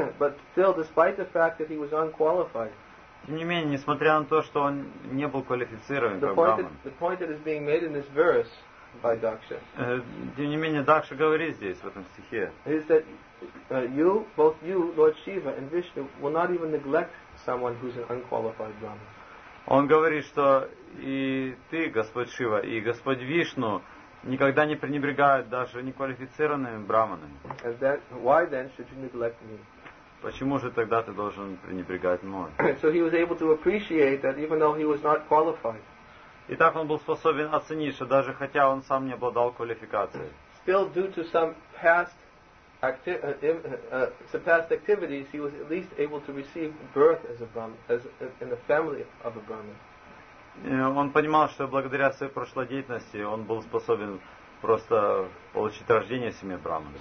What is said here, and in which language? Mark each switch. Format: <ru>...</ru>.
<en>But still, despite the fact that he was unqualified.</en> <ru>Тем не менее, несмотря на то, что он не был квалифицирован как браман.</ru> <en>The point that is being made in this verse by Daksha.</en> <ru>Тем не менее, Дакша говорит здесь в этом стихе.</ru> <en>Is that you, both you, Lord Shiva and Vishnu, will not even neglect someone who is an unqualified brahman.</en> <ru>Он говорит, что и ты, Господь Шива, и Господь Вишну никогда не пренебрегают даже неквалифицированными браманами.</ru> <en>Why then should you neglect me?</en> <ru>Почему же тогда ты должен пренебрегать мной?</ru> <en>So he was able to appreciate that even though he was not qualified.</en> <ru>Итак, он был способен оценить, что даже хотя он сам не обладал квалификацией.</ru> <en>Still due to some past activities, he was at least able to receive birth as a brahman, as in the family of a brahman.</en> <ru>Он понимал, что благодаря своей прошлой деятельности он был способен просто получить рождение в семье брахмана.</ru>